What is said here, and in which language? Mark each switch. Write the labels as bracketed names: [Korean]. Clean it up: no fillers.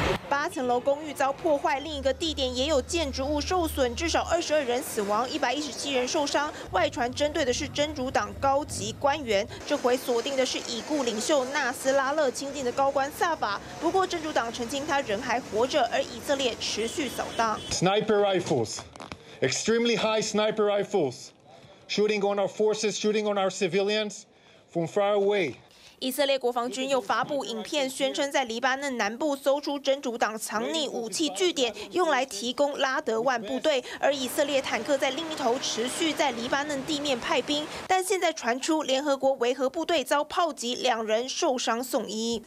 [Chinese] 8层楼公寓遭破坏，另一个地点也有建筑物受损，至少22人死亡，117人受伤。外传针对的是真主党高级官员，这回锁定的是已故领袖纳斯拉勒亲近的高官萨法。不过真主党澄清他人还活着，而以色列持续扫荡。 [English] Sniper rifles, extremely high sniper rifles, shooting on our forces, shooting on our civilians from far away. [Chinese] 以色列国防军又发布影片，宣称在黎巴嫩南部搜出真主党藏匿武器据点，用来提供拉德万部队。而以色列坦克在另一头持续在黎巴嫩地面派兵，但现在传出联合国维和部队遭炮击，2人受伤送医。